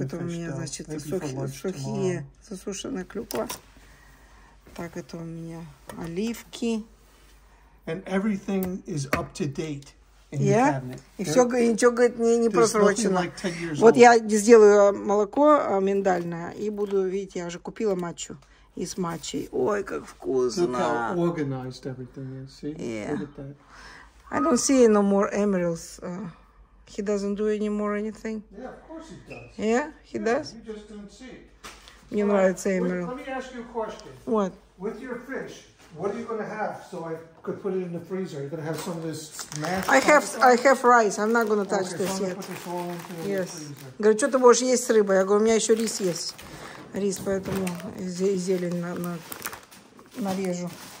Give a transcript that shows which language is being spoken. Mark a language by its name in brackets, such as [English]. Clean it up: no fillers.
[Russian] это у меня, значит, сухие, засушенная клюква. Так, это у меня оливки. [English] And everything is up to date in the cabinet. [Russian] И все, и ничего, говорит, не просрочено. Вот я сделаю молоко миндальное и буду, видите, я уже купила матчу из матчей. Ой, как вкусно. [English] Look how organized everything is. See? Yeah. Look at that. I don't see no more emeralds. He doesn't do any more anything. Yeah, of course he does. Yeah, he does. You just don't see. [Russian] Мне нравится эмерал. [English] Let me ask you a question. What? With your fish, what are you going to have so I could put it in the freezer? Are you going to have some of this mashed? I have rice. I'm not going to touch this yet. Put this all into the freezer. [Russian] Говорю, что ты можешь есть с рыбой? Я говорю, у меня еще рис есть. Рис, поэтому зелень нарежу.